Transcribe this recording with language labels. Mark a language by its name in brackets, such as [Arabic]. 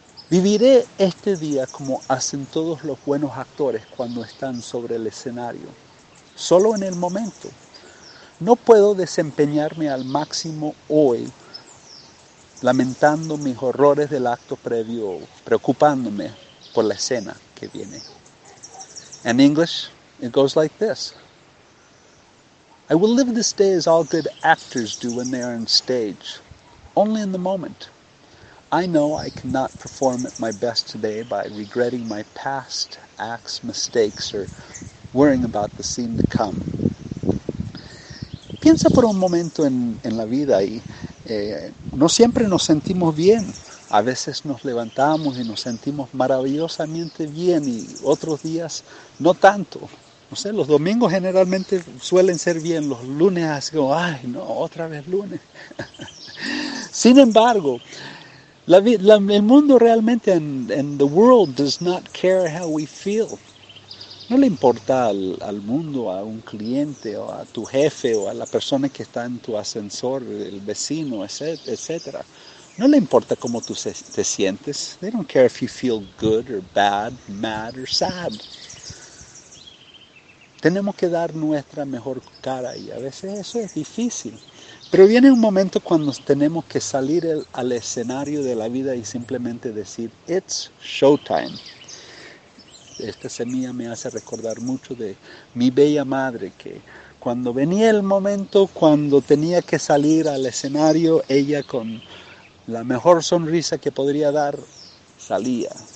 [Spanish] Viviré este día como hacen todos los buenos actores cuando están sobre el escenario, solo en el momento. No puedo desempeñarme al máximo hoy, lamentando mis horrores del acto previo, preocupándome por la escena que viene. [English] In English, it goes like this. I will live this day as all good actors do when they are on stage, only in the moment. I know I cannot perform at my best today by regretting my past acts, mistakes, or worrying about the scene to come. [Spanish] Piensa por un momento en la vida y no siempre nos sentimos bien. A veces nos levantamos y nos sentimos maravillosamente bien y otros días no tanto. No sé, los domingos generalmente suelen ser bien, los lunes así como, ay no, otra vez lunes. Sin embargo, el mundo realmente, [English] and the world does not care how we feel. [Spanish] No le importa al mundo, a un cliente, o a tu jefe, o a la persona que está en tu ascensor, el vecino, etc. No le importa cómo tú te sientes. [English] They don't care if you feel good or bad, mad or sad. [Spanish] Tenemos que dar nuestra mejor cara y a veces eso es difícil. Pero viene un momento cuando tenemos que salir al escenario de la vida y simplemente decir, [English] it's showtime. [Spanish] Esta semilla me hace recordar mucho de mi bella madre, que cuando venía el momento, cuando tenía que salir al escenario, ella con la mejor sonrisa que podría dar, salía.